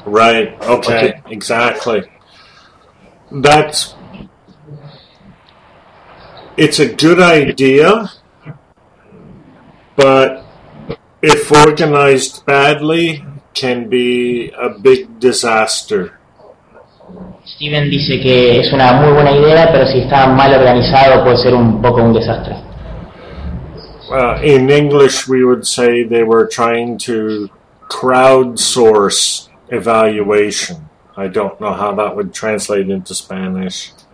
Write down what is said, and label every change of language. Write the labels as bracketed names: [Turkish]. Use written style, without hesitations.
[English] Right. Okay. Exactly. It's a good idea, but if organized badly, can be a big disaster. [Spanish] Steven dice que es una muy buena idea, pero si está mal organizado puede ser un poco un desastre. [English] In English we would say they were trying to crowdsource evaluation. I don't know how that would translate into Spanish.